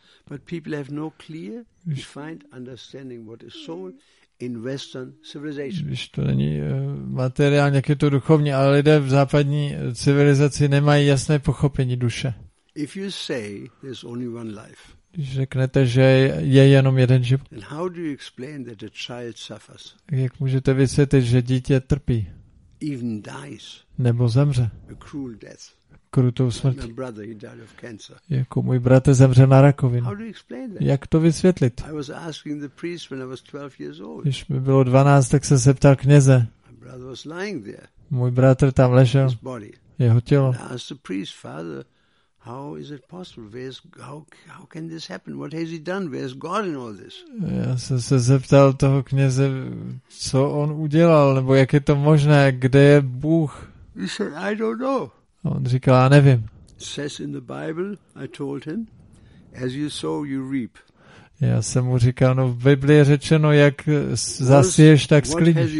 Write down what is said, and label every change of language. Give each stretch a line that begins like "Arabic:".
English: But people have no clear, defined understanding what is soul in Western civilization.
Czech: Když to není materiálně, jak je to duchovní, ale lidé v západní civilizaci nemají jasné pochopení duše.
English: If you say there's only one life,
Czech: když řeknete, že je jenom jeden život,
English: then how do you explain that a child suffers?
Czech: Jak můžete vysvětlit, že dítě trpí?
English: Even dies.
Czech: Nebo zemře.
English: A cruel death.
Czech: Krutou smrtí.
English: My brother, he died of cancer.
Czech: Jako můj bratr zemřel na rakovinu.
English: How do you explain that?
Czech: Jak to vysvětlit?
English: I was asking the priest when I was 12 years old.
Czech: Když mi bylo 12, tak jsem se ptal kněze.
English: My brother was lying there.
Czech: Můj bratr tam ležel.
English: His body.
Czech: Jeho tělo.
English: And I asked the priest, father, how is it possible? Where's how can this happen? What has he done? Where's God in all this?
Czech: Já jsem se zeptal toho kněze, co on udělal, nebo jak je to možné, kde je Bůh?
English: He said, I don't know.
Czech: On říkal, já nevím.
English: It says in the Bible, I told him, as you sow, you reap.
Czech: Já jsem mu říkal, no v Biblii je řečeno, jak zasiješ, tak sklidíš.